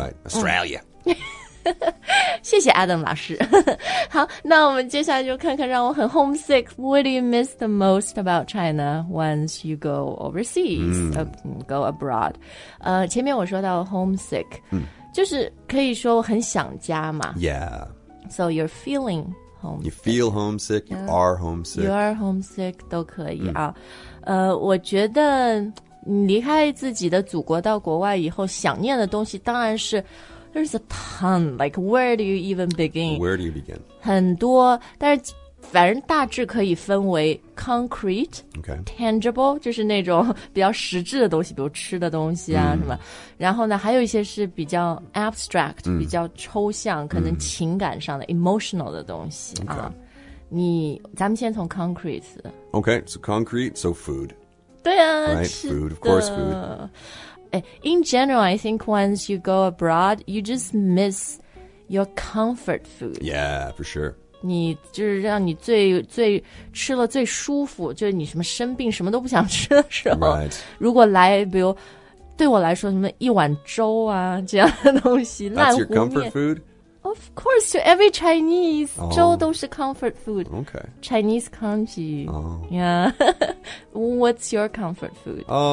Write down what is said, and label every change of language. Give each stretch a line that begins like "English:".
English: Right, Australia.、
Chinese: 谢谢 Adam 老师。好，那我们接下来就看看让我很 homesick.
English: What do you miss the most about China once you go overseas,、go abroad?
Chinese: 前面我说到 homesick,、就是可以说我很想家嘛。
English: Yeah. So you're feeling homesick. You feel homesick, you are homesick. You are homesick,
Chinese: 都可以啊。我觉得你离开自己的祖国到国外以后想念的东西当然是
English: There's a ton, like where do you even begin? Where do you begin?
Chinese: 很多，但是反正大致可以分为 concrete,、
English: okay.
Chinese: tangible, 就是那种比较实质的东西，比如吃的东西啊、什么。然后呢，还有一些是比较 abstract,、比较抽象，可能情感上的、emotional 的东西、
English: okay.
Chinese: 啊。你，咱们先从 concrete.
English: Okay, so concrete, so food.
Chinese: 对啊
English: right, food, of course food. In general, I think once you go abroad, you just miss your comfort food. Yeah, for sure.
Chinese: 你就是让你最最吃了最舒服，就是你什么生病什么都不想吃的时候。
English: Right.
Chinese: 如果来，比如对我来说，什么一碗粥啊这样的东西，烂糊面。
English: That's your comfort food? Of course, to every Chinese,、 oh.
Chinese: 粥都是 comfort food.
English: Okay. Chinese congee. Oh. Yeah. What's your comfort food?